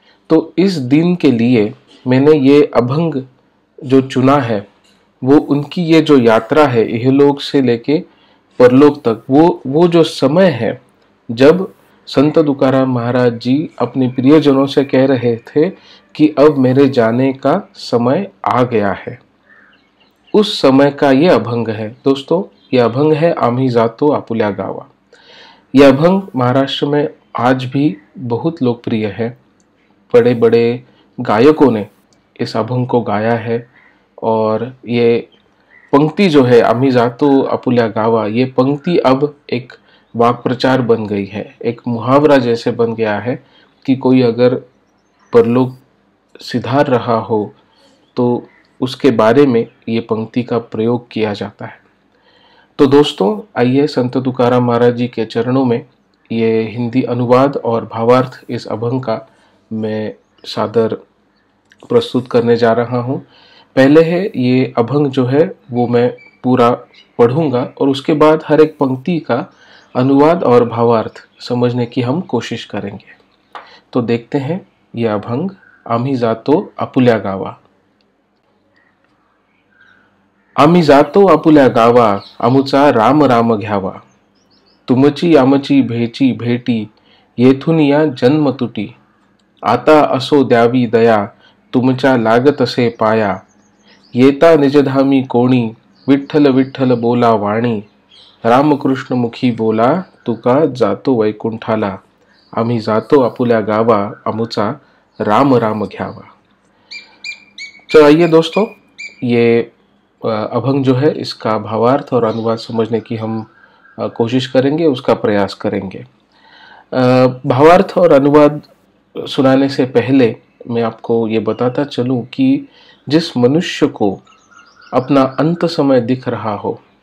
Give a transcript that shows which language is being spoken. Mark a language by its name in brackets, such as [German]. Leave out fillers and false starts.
[Hindi] तो इस दिन के लिए मैंने ये अभंग जो चुना है वो उनकी ये जो यात्रा है इहलोक से लेके परलोक तक, वो जो समय है जब संत तुकाराम महाराज जी अपने प्रियजनों से कह रहे थे कि अब मेरे जाने का समय आ गया है, उस समय का ये अभंग है। दोस्तों, ये अभंग है [Marathi] आम्ही जातो आपुल्या गावा। [Hindi] यह अभंग महाराष्ट्र में आज भी बहुत लोकप्रिय है। बड़े बड़े गायकों ने इस अभंग को गाया है और ये पंक्ति जो है [Marathi] आम्ही जातो आपुल्या गावा, [Hindi] ये पंक्ति अब एक वाक् प्रचार बन गई है, एक मुहावरा जैसे बन गया है कि कोई अगर परलोक सिधार रहा हो तो उसके बारे में ये पंक्ति का प्रयोग किया जाता है। तो दोस्तों, आइए संत तुकाराम महाराज जी के चरणों में ये हिंदी अनुवाद और भावार्थ इस अभंग का मैं सादर प्रस्तुत करने जा रहा हूँ। पहले है ये अभंग जो है वो मैं पूरा पढ़ूंगा और उसके बाद हर एक पंक्ति का अनुवाद और भावार्थ समझने की हम कोशिश करेंगे। तो देखते हैं ये अभंग, [Marathi] आम्ही जातो आपुल्या गावा। आम्ही जातो आपुल्या गावा, आमुचा राम राम घ्यावा। तुमची आमची भेची भेटी, येथून या जन्म तुटी। आता असो द्यावी दया, तुमचा लागत असे पाया। येता निजधामी कोणी, विठ्ठल विठ्ठल बोला वाणी। रामकृष्ण मुखी बोला, तुका जातो वैकुंठाला। आम्ही जातो आपुल्या गावा, आमुचा राम राम घ्यावा। [Hindi] चल आइए दोस्तों, ये अभंग जो है इसका भावार्थ और अनुवाद समझने की हम कोशिश करेंगे, उसका प्रयास करेंगे। भावार्थ और अनुवाद सुनाने से पहले मैं आपको ये बताता चलूं कि जिस मनुष्य को अपना अंत समय दिख रहा हो,